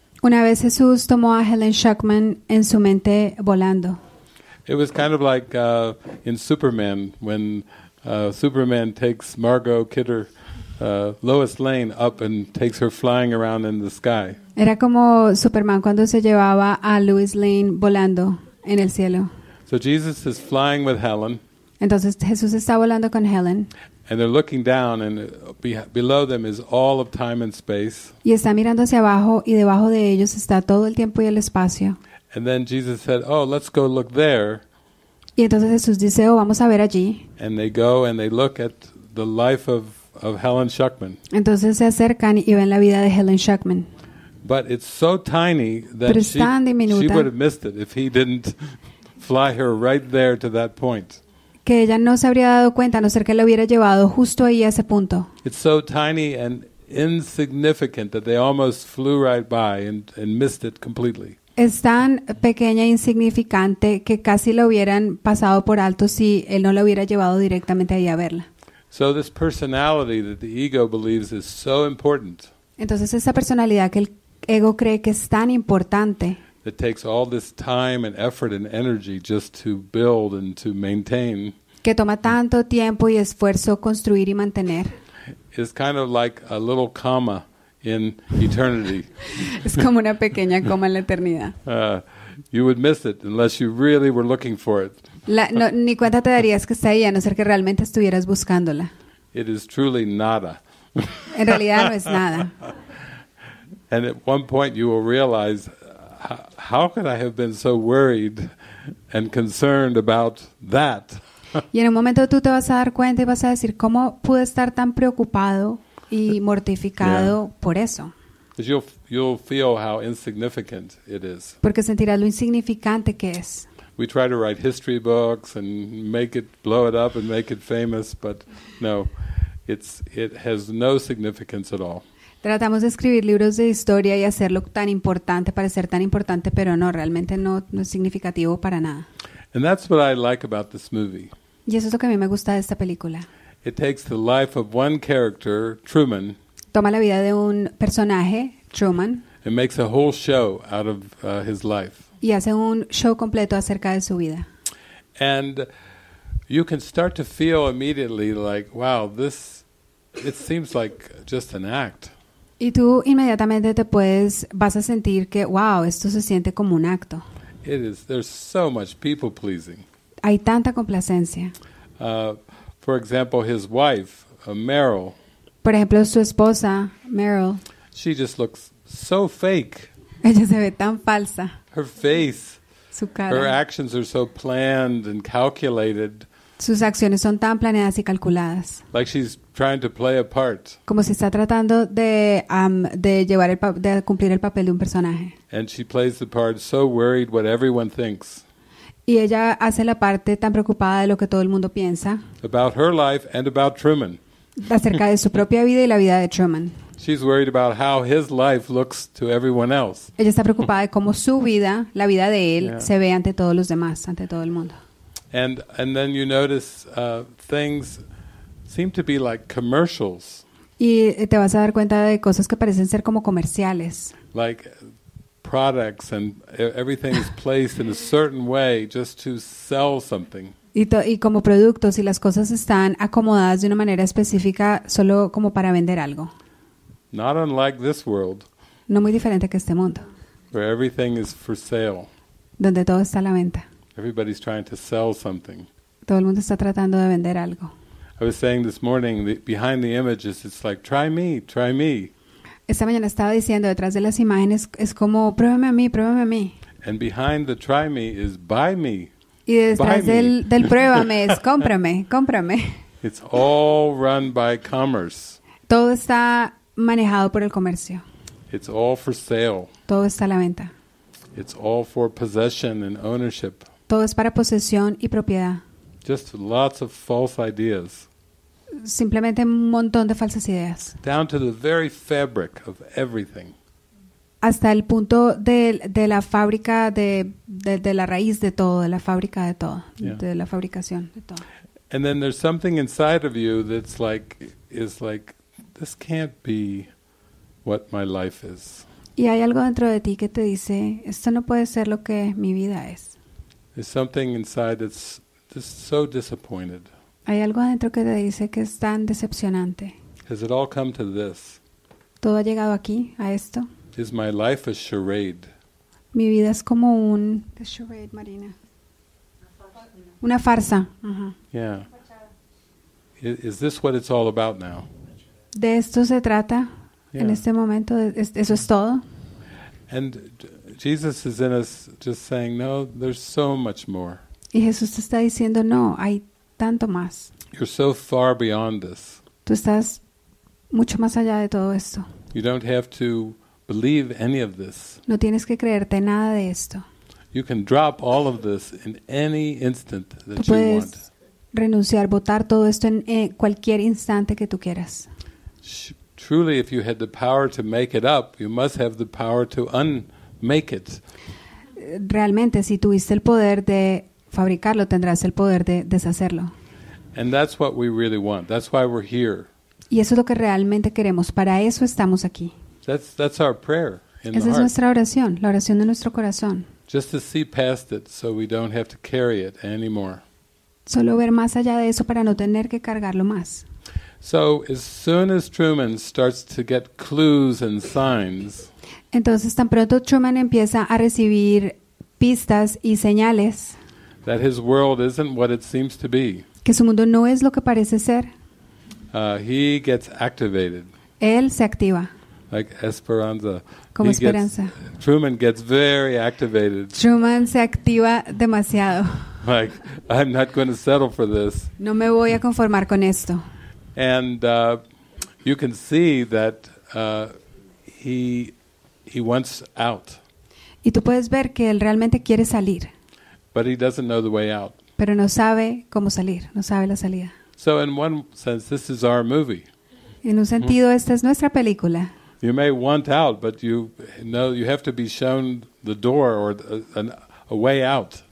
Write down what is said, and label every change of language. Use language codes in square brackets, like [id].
[es] Una vez Jesús tomó a Helen Schuckman en su mente volando. [en] It was kind of like in Superman when Superman takes Margot Kidder Lois Lane up and takes her flying around in the sky. [es] Era como Superman cuando se llevaba a Lois Lane volando en el cielo. [en] So Jesus is flying with Helen. [es] Entonces Jesús está volando con Helen. [en] And they're looking down, and below them is all of time and space. [es] Y está mirando hacia abajo, y debajo de ellos está todo el tiempo y el espacio. [en] And then Jesus said, "Oh, let's go look there." [es] Y entonces Jesús dice, "Oh, vamos a ver allí." [en] And they go and they look at the life of Helen Schuckman. [es] Entonces se acercan y ven la vida de Helen Schuckman. [en] But it's so tiny that she would have missed it if he didn't fly her right there to that point. [es] Que ella no se habría dado cuenta a no ser que lo hubiera llevado justo ahí a ese punto. [en] It's so tiny and insignificant that they almost flew right by and missed it completely. [es] Es tan pequeña e insignificante que casi lo hubieran pasado por alto si él no lo hubiera llevado directamente ahí a verla. [en] So this personality that the ego believes is so important. [es] Entonces esa personalidad que el ego cree que es tan importante. [en] It takes all this time and effort and energy just to build and to maintain. [es] Que toma tanto tiempo y esfuerzo construir y mantener. [en] It's kind of like a little comma in eternity. [es] Es como una pequeña coma en la eternidad. [en] You would miss it unless you really were looking for it. [es] Ni cuenta te darías que está ahí, a no ser que realmente estuvieras buscándola. [en] It is truly nada. [es] En realidad no es nada. [en] And at one point you will realize, how could I have been so worried and concerned about that? [es] Y en un momento tú te vas a dar cuenta y vas a decir, ¿cómo pude estar tan preocupado y mortificado por eso? [en] You'll feel how insignificant it is. [es] Porque sentirás lo insignificante que es. [en] We try to write history books and make it blow it up and make it famous, but no, it has no significance at all. [es] Tratamos de escribir libros de historia y hacerlo tan importante, parecer tan importante, pero no, realmente no es significativo para nada. [en] And that's what I like about this movie. [es] Y eso es lo que a mí me gusta de esta película. [en] It takes the life of one character, Truman. [es] Toma la vida de un personaje, Truman. [en] And makes a whole show out of his life. [es] Y hace un show completo acerca de su vida. [en] And you can start to feel immediately like, wow, this, it seems like just an act. [es] Y tú inmediatamente vas a sentir que, wow, esto se siente como un acto. [en] It is, there's so much people pleasing. [es] Hay tanta complacencia. [en] For example, his wife, Meryl. [es] Por ejemplo, su esposa, Meryl. [en] She just looks so fake. [es] Ella se ve tan falsa. [en] Her face. [es] Su cara. [en] Her actions are so planned and calculated. [es] Sus acciones son tan planeadas y calculadas. [en] Like she's trying to play a part. [es] Como si está tratando de cumplir el papel de un personaje. [en] And she plays the part so worried what everyone thinks. [es] Y ella hace la parte tan preocupada de lo que todo el mundo piensa. [en] About her life and about Truman. [es] Acerca de su propia vida y la vida de Truman. [en] She's worried about how his life looks to everyone else. [es] Ella está preocupada de cómo su vida, la vida de él, yeah, se ve ante todos los demás, ante todo el mundo. [en] And then you notice things seem to be like commercials. [es] Y te vas a dar cuenta de cosas que parecen ser como comerciales. [en] Like products and everything is placed in a certain way just to sell something. [es] Y como productos y las cosas están acomodadas de una manera específica solo como para vender algo. [en] Not unlike this world. [es] No muy diferente que este mundo. [en] Where everything is for sale. [es] Donde todo está a la venta. [en] Everybody's trying to sell something. [es] Todo el mundo está tratando de vender algo. [en] I was saying this morning behind the images, it's like try me, try me. [es] Esta mañana estaba diciendo detrás de las imágenes es como pruébame a mí, pruébame a mí. [en] And behind the try me is buy me. [es] Y detrás del pruébame es cómprame, cómprame. [en] It's all run by commerce. [es] Todo está manejado por el comercio. [en] It's all for sale. [es] Todo está a la venta. [en] It's all for possession and ownership. [es] Todo es para posesión y propiedad. [en] Just lots of false ideas. [es] Simplemente un montón de falsas ideas. [en] Down to the very fabric of everything. [es] Hasta el punto de la fábrica de la raíz de todo, de la fábrica de todo, yeah, de la fabricación de todo. [en] And then there's something inside of you that's like is like this can't be what my life is. [es] Y hay algo dentro de ti que te dice, esto no puede ser lo que mi vida es. [en] There's something inside that's just so disappointed. [es] Hay algo adentro que te dice que es tan decepcionante. [en] Has it all come to this? [es] ¿Todo ha llegado aquí, a esto? [en] Is my life a charade? [es] Mi vida es como un... [en] A charade, Marina. [es] Una farsa. [en] Yeah. Is this what it's all about now? [es] ¿De esto se trata? Yeah. En este momento, ¿eso es todo? [en] And Jesus is in us just saying, no, there's so much more. [es] Y Jesús te está diciendo, no, hay tanto más. [en] You're so far beyond this. [es] Tú estás mucho más allá de todo esto. [en] You don't have to believe any of this. [es] No tienes que creerte nada de esto. [en] You can drop all of this in any instant that you want. [es] Tú puedes renunciar, botar todo esto en cualquier instante que tú quieras. [en] truly, if you had the power to make it up, you must have the power to unmake it. [es] Realmente, si tuviste el poder de fabricarlo, tendrás el poder de deshacerlo. [en] And that's what we really want. That's why we're here. [es] Y eso es lo que realmente queremos. Para eso estamos aquí. [en] That's our prayer. [es] Esa es nuestra oración, la oración de nuestro corazón. [en] Just to see past it, so we don't have to carry it anymore. [es] Solo ver más allá de eso para no tener que cargarlo más. [en] So as soon as Truman starts to get clues and signs. [es] Entonces tan pronto Truman empieza a recibir pistas y señales. [en] That his world isn't what it seems to be. [es] Que su mundo no es lo que parece ser. [en] He gets activated. [es] Él se activa. [en] Like Esperanza. [es] Como Esperanza. [en] Truman gets very activated. [es] Truman se activa demasiado. [en] Like, I'm not going to settle for this. [es] No me voy a conformar con esto. [en] And you can see that he wants out. [es] Y tú puedes ver que él realmente quiere salir. [en] But he doesn't know the way out. [es] Pero no sabe cómo salir, no sabe la salida. [en] So in one sense, this is our movie. [es] En un sentido, esta es nuestra película. [en] You may want out, but you know you have to be shown the door or a way out.